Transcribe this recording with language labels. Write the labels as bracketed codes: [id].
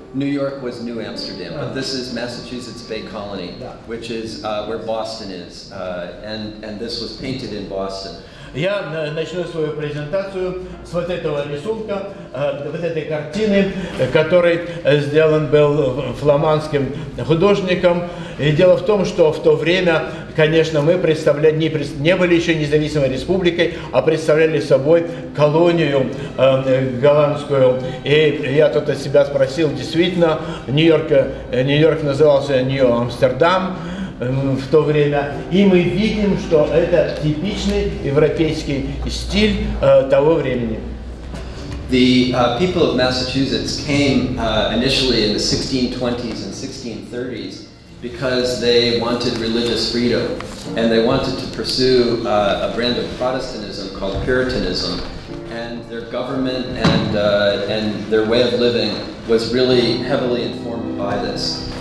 [en] New York was New Amsterdam, but this is Massachusetts Bay Colony, which is where Boston is, and this was painted in Boston. [ru] Я начну свою презентацию с вот этого рисунка, вот этой картины, который сделан был фламандским художником. И дело в том, что в то время, конечно, мы представляли, не были еще независимой республикой, а представляли собой колонию голландскую. И я тут от себя спросил, действительно, Нью-Йорк назывался Нью-Амстердам в то время, и мы видим, что это типичный европейский стиль того времени. [en] The people of Massachusetts came initially in the 1620s and 1630s because they wanted religious freedom, and they wanted to pursue a brand of Protestantism called Puritanism, and their government and their way of living was really heavily informed by this.